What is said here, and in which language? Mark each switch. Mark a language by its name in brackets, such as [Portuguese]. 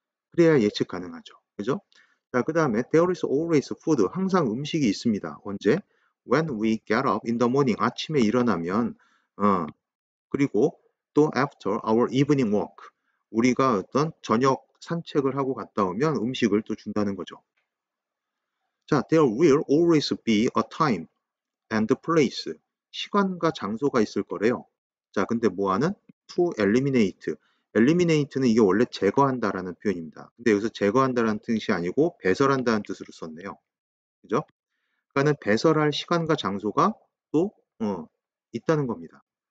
[Korean] 그래야 예측 가능하죠. 그죠? 자, 그 다음에 [English] There is always food. [Korean] 항상 음식이 있습니다. 언제? [English] When we get up in the morning. [Korean] 아침에 일어나면. 그리고 또 [English] after our evening walk. [Korean] 우리가 어떤 저녁 산책을 하고 갔다 오면 음식을 또 준다는 거죠. [English] 자, there will always be a time and place. [Korean] 시간과 장소가 있을 거래요. 자, 근데 뭐 하는? [English] To eliminate. [Korean] Eliminate는 이게 원래 제거한다라는 표현입니다. 근데 여기서 제거한다라는 뜻이 아니고 배설한다는 뜻으로 썼네요. 그죠? 그러니까는 배설할 시간과 장소가 또, 있다는 겁니다.